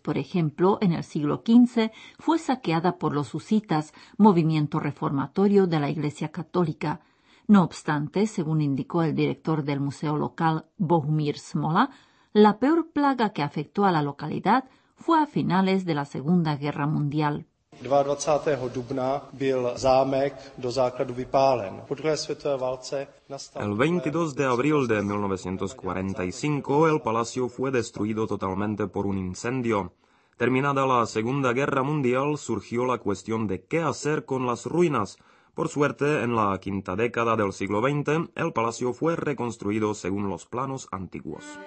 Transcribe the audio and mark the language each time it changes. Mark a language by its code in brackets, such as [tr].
[es] Por ejemplo, en el siglo XV fue saqueada por los husitas, movimiento reformatorio de la Iglesia Católica. No obstante, según indicó el director del museo local, Bohumír Smola, la peor plaga que afectó a la localidad fue a finales de la Segunda Guerra Mundial. [cs] 22. dubna byl zámek do základu vypálen. Po druhé světové válce [es] El 22 de abril de 1945 el palacio fue destruido totalmente por un incendio. Terminada la Segunda Guerra Mundial, surgió la cuestión de qué hacer con las ruinas. Por suerte, en la quinta década del siglo XX, el palacio fue reconstruido según los planos antiguos.